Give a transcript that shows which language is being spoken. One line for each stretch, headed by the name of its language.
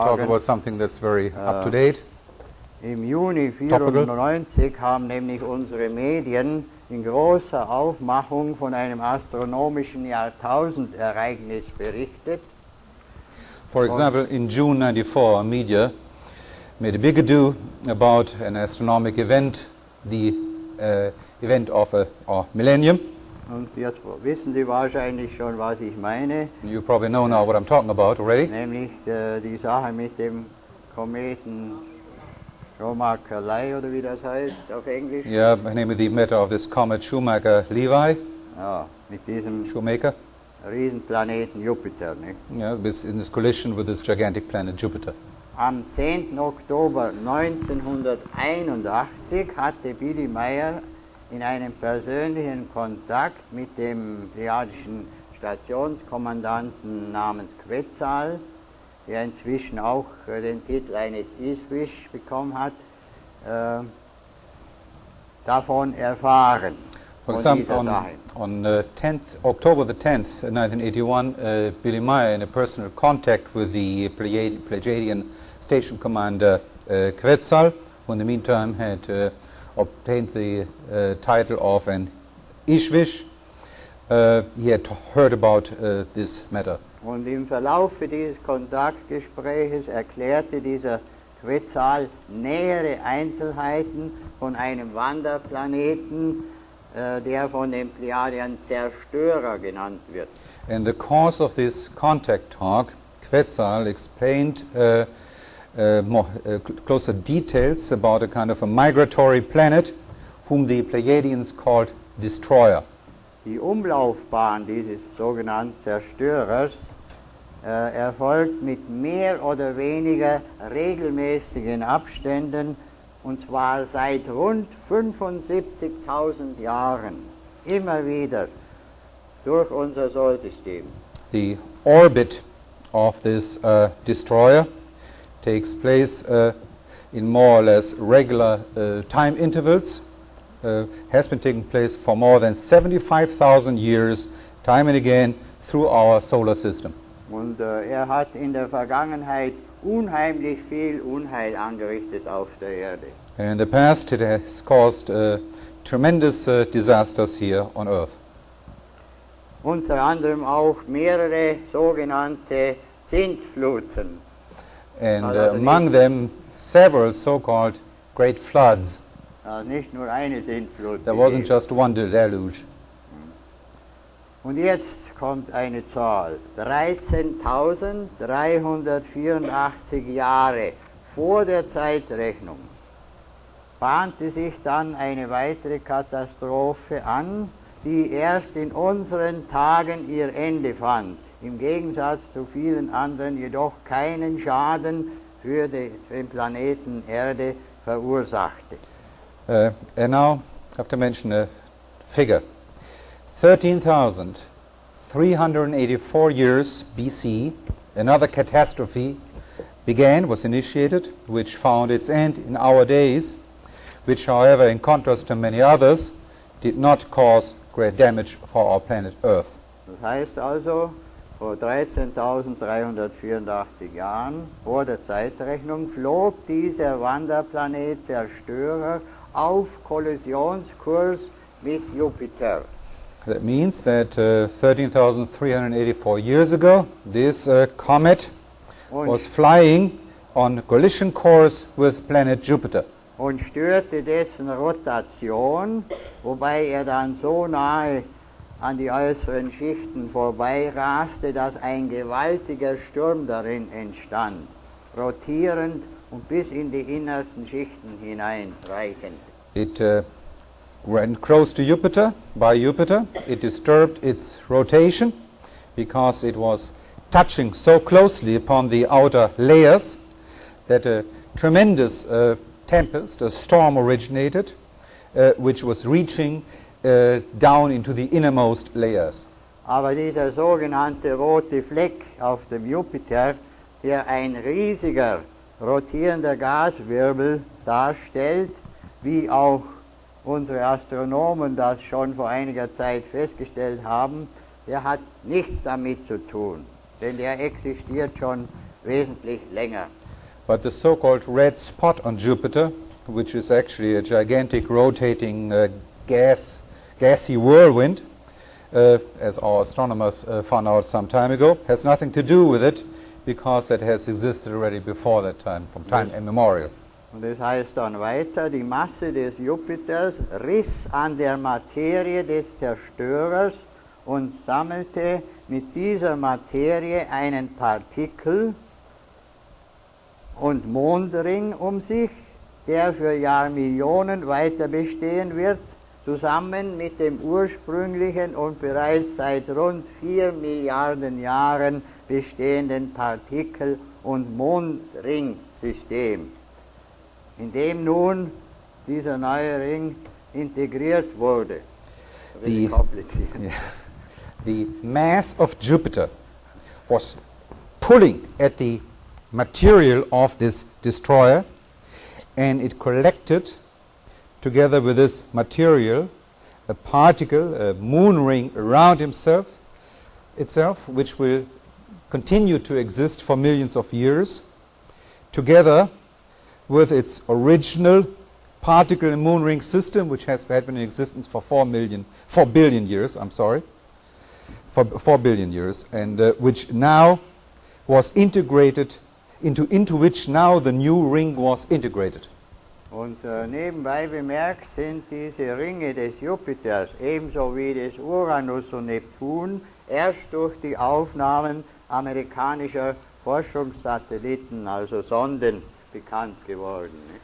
English: You talk about something that's very up to date.
German: Im Juni 1994 haben nämlich unsere Medien in großer Aufmachung von einem astronomischen Jahrtausendereignis berichtet.
English: For example, in June 94, our media made a big ado about an astronomic event, the event of a millennium.
German: Und jetzt wissen Sie wahrscheinlich schon, was ich meine.
English: You probably know now what I'm talking about already.
German: Nämlich die Sache mit dem Kometen Schumacher-Levy, oder wie das heißt auf Englisch.
English: Ja, yeah, namely the matter of this comet Schumacher-Levy.
German: Ja, mit diesem Schumacher. Riesenplaneten Jupiter, nicht?
English: Ja, yeah, in this collision with this gigantic planet Jupiter.
German: Am 10. Oktober 1981 hatte Billy Meyer in einem persönlichen Kontakt mit dem pleiadischen Stationskommandanten namens Quetzal, der inzwischen auch den Titel eines Isfisch bekommen hat, davon erfahren.
English: For example, on 10th October 1981, Billy Meyer, in a personal contact with the Pleiadian station commander Quetzal, who in the meantime had obtained the title of an Ishvish, he had heard about this matter.
German: Und im Verlauf dieses Kontaktgespräches erklärte dieser Quetzal nähere Einzelheiten von einem Wanderplaneten, der von dem Pleiadian Zerstörer genannt wird.
English: In the course of this contact talk, Quetzal explained closer details about a kind of a migratory planet whom the Pleiadians called Destroyer.
German: Die Umlaufbahn dieses sogenannten Zerstörers erfolgt mit mehr oder weniger regelmäßigen Abständen, und zwar seit rund 75.000 Jahren, immer wieder durch unser Sonnensystem.
English: The orbit of this destroyer takes place in more or less regular time intervals, has been taking place for more than 75.000 years, time and again, through our solar system.
German: Und er hat in der Vergangenheit unheimlich viel Unheil angerichtet auf der Erde.
English: And in the past it has caused tremendous disasters here on Earth.
German: Unter anderem auch mehrere sogenannte Sintfluten.
English: And among them several so-called great floods.
German: Nicht nur eine Sintflut.
English: There wasn't just one deluge.
German: Und jetzt kommt eine Zahl. 13.384 Jahre vor der Zeitrechnung bahnte sich dann eine weitere Katastrophe an, die erst in unseren Tagen ihr Ende fand. Im Gegensatz zu vielen anderen jedoch keinen Schaden für den Planeten Erde verursachte.
English: And now I have to mention a figure. 13,384 years BC, another catastrophe began, was initiated, which found its end in our days, which however, in contrast to many others, did not cause great damage for our planet Earth.
German: Das heißt also, vor 13.384 Jahren, vor der Zeitrechnung, flog dieser Wanderplanet Zerstörer auf Kollisionskurs mit Jupiter.
English: That means that 13,384 years ago, this comet was flying on collision course with planet Jupiter.
German: Und störte dessen Rotation, wobei er dann so nahe an die äußeren Schichten vorbeiraste, dass ein gewaltiger Sturm darin entstand, rotierend und bis in die innersten Schichten hineinreichend.
English: It went close to Jupiter, by Jupiter. It disturbed its rotation because it was touching so closely upon the outer layers that a tremendous tempest, a storm originated, which was reaching down into the innermost layers.
German: Aber dieser sogenannte rote Fleck auf dem Jupiter, der ein riesiger rotierender Gaswirbel darstellt, wie auch unsere Astronomen das schon vor einiger Zeit festgestellt haben, der hat nichts damit zu tun, denn der existiert schon wesentlich länger.
English: But the so-called red spot on Jupiter, which is actually a gigantic rotating gassy whirlwind, as our astronomers found out some time ago, has nothing to do with it, because it has existed already before that time, from time immemorial.
German: Und es heißt dann weiter, die Masse des Jupiters riss an der Materie des Zerstörers und sammelte mit dieser Materie einen Partikel und Mondring um sich, der für Jahrmillionen weiter bestehen wird, zusammen mit dem ursprünglichen und bereits seit rund 4 Milliarden Jahren bestehenden Partikel- und Mondringsystem, in dem nun dieser neue Ring integriert wurde.
English: The mass of Jupiter was pulling at the material of this destroyer, and it collected together with this material a particle, a moon ring around itself, which will continue to exist for millions of years, together with its original particle and moon ring system, which had been in existence for 4 billion years, which now was integrated into which now the new ring was integrated.
German: Und nebenbei bemerkt, sind diese Ringe des Jupiters, ebenso wie des Uranus und Neptun, erst durch die Aufnahmen amerikanischer Forschungssatelliten, also Sonden, bekannt geworden.